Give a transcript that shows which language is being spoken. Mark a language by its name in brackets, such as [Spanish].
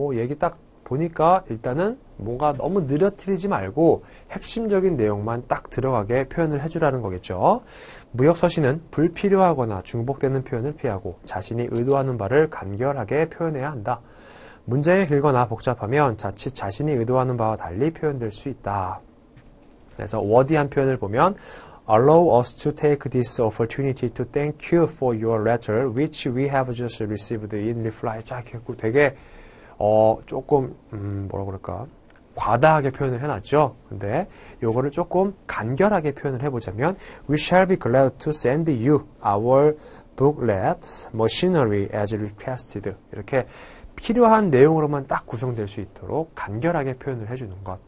[Korean] 뭐 얘기 딱 보니까 일단은 뭔가 너무 느려뜨리지 말고 핵심적인 내용만 딱 들어가게 표현을 해주라는 거겠죠. 무역서신은 불필요하거나 중복되는 표현을 피하고 자신이 의도하는 바를 간결하게 표현해야 한다. 문장이 길거나 복잡하면 자칫 자신이 의도하는 바와 달리 표현될 수 있다. 그래서 워디한 표현을 보면 [English] Allow us to take this opportunity to thank you for your letter, which we have just received in reply. [Korean] 쫙 했고 되게 조금 뭐라 그럴까 과다하게 표현을 해놨죠. 근데 요거를 조금 간결하게 표현을 해보자면, [English] We shall be glad to send you our booklet, machinery as requested. [Korean] 이렇게 필요한 내용으로만 딱 구성될 수 있도록 간결하게 표현을 해주는 것.